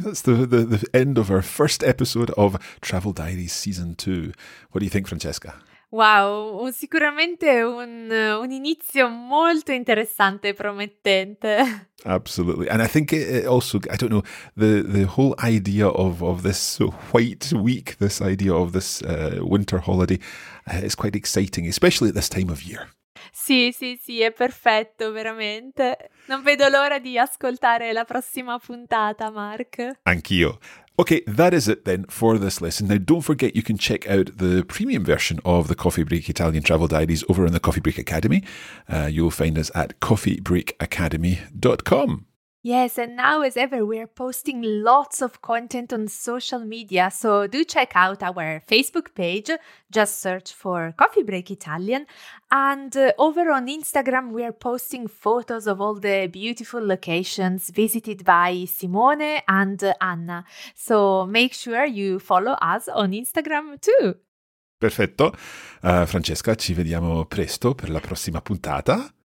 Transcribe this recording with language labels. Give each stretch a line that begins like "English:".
English: That's the end of our first episode of Travel Diaries Season 2. What do you think, Francesca?
Italian: Wow, sicuramente un inizio molto interessante e promettente.
English: Absolutely. And I think it also, I don't know, the whole idea of this white week, this idea of this winter holiday is quite exciting, especially at this time of year.
Italian: Sì, sì, sì, è perfetto, veramente. Non vedo l'ora di ascoltare la prossima puntata, Mark. Anch'io.
English: Okay, that is it then for this lesson. Now, don't forget you can check out the premium version of the Coffee Break Italian Travel Diaries over in the Coffee Break Academy. You'll find us at coffeebreakacademy.com. Yes, and now as ever, we are posting lots of content on social media. So do check out our Facebook page. Just search for Coffee Break Italian. And over on Instagram, we are posting photos of all the beautiful locations visited by Simone and Anna. So make sure you follow us on Instagram too.
Italian: Perfetto. Francesca, ci vediamo presto per la prossima puntata.